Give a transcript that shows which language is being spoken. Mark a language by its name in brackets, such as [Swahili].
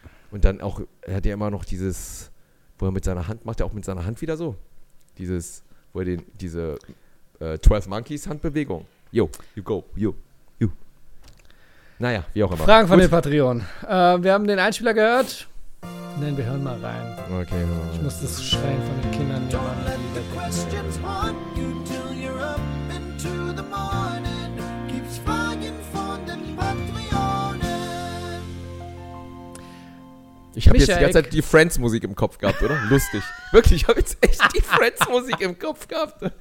[German] Und dann auch, er hat ja immer noch dieses, wo er mit seiner Hand, macht er auch mit seiner Hand wieder so? Dieses, wo er den, diese 12 Monkeys Handbewegung. [English] Yo, you go, yo. [German] Naja, wie auch immer. Fragen von gut. Den Patreon. Wir haben den Einspieler gehört. Nein, wir hören mal rein. Okay. Ich muss das Schreien von den Kindern nehmen. [English] Don't let the questions haunt you till you're up into the morning. [German] Keeps Fragen von den Patreonen. Ich habe jetzt die ganze Zeit die Friends-Musik im Kopf gehabt, oder? Lustig. Wirklich, ich habe jetzt echt die Friends-Musik im Kopf gehabt.